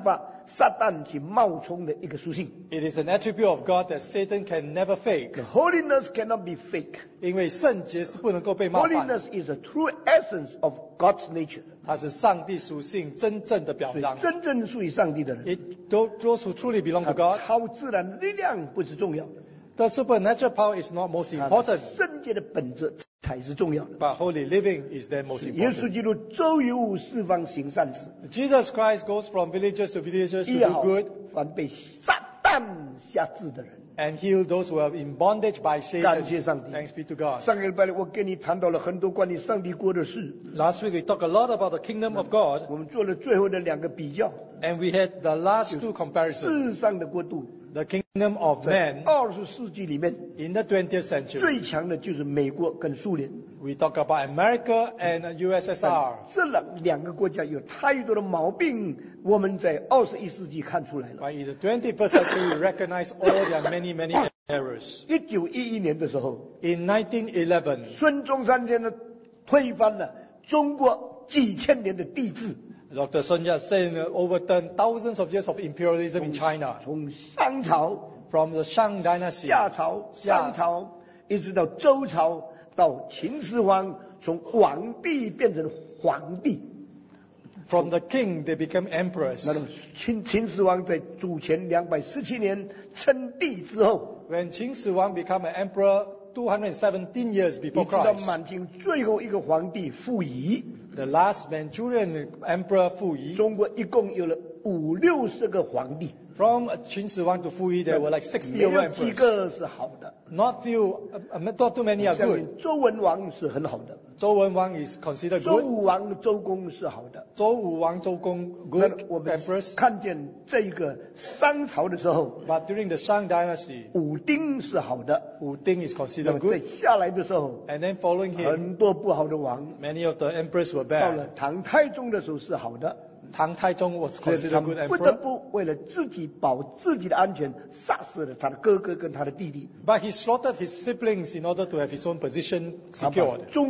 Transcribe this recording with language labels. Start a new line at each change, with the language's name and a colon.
Chinese: 所以这个是神的属性中间没有办法撒旦去冒充的一个属性,
English: it is an attribute of God that Satan can never fake. The holiness cannot be fake,
Chinese: 因为圣洁是不能够被冒犯,
English: holiness is the true essence of God's nature.
Chinese: 它是上帝属性真正的表彰，真正属于上帝的人,
English: it those who truly belong to God.
Chinese: 超自然力量不是重要,
English: the supernatural power is not most important.
Chinese: 圣洁的本质才是重要的,
English: but holy living is then most important.
Chinese: 耶稣基督周游四方行善事,
English: Jesus Christ goes from villages to villages to do good,
Chinese: 凡被撒旦辖制的人,
English: and heal those who are in bondage by Satan.
Chinese: 感谢上帝,
English: thanks be to God.
Chinese: 上个礼拜我跟你谈到了很多关于上帝国的事,
English: last week we talked a lot about the kingdom of God,
Chinese: 我们做了最后的两个比较,
English: and we had the last two comparisons,
Chinese: 世上的国度,
English: the kingdom of man.
Chinese: 20世纪里面,
English: in the 20th century,
Chinese: 最强的就是美国跟苏联,
English: we talk about America and USSR.
Chinese: 这两个国家有太多的毛病, 我们在21世纪看出来了,
English: but in the 21st century we recognize all their many many errors.
Chinese: 1911年的时候,
English: in 1911,
Chinese: 孙中山先生推翻了中国几千年的帝制,
English: Dr. Sun Yat-sen overturned thousands of years of imperialism in China.
Chinese: 从商朝,
English: from the Shang Dynasty,
Chinese: 夏朝, 商朝, 一直到周朝, 到秦始皇, 从王帝变成皇帝,
English: from the king, they became emperors.
Chinese: 秦始皇在主前217年, 称帝之后,
English: when 秦始皇 became an emperor 217 years before Christ,
Chinese: 一直到满清最后一个皇帝溥仪,
English: the last Manchurian Emperor Fu Yi,
Chinese: 中国一共有了五六十个皇帝,
English: from 秦始皇 to Fu Yi, there were like 60 over emperors.
Chinese: 没有几个是好的,
English: not few, not too many are good.
Chinese: 周文王是很好的,
English: 周文王 is considered good.
Chinese: 周武王周公是好的,
English: 周武王周公 good emperors.
Chinese: 看见这个商朝的时候,
English: but during the Shang Dynasty,
Chinese: 武丁是好的,
English: 武丁 is considered good.
Chinese: 再下来的时候,
English: and then following him,
Chinese: 很多不好的王,
English: many of the emperors were bad.
Chinese: 到了唐太宗的时候是好的,
English: 唐太宗 was considered a good emperor.
Chinese: 不得不为了自己保自己的安全杀死了他的哥哥跟他的弟弟,
English: but he slaughtered his siblings in order to have his own position secured.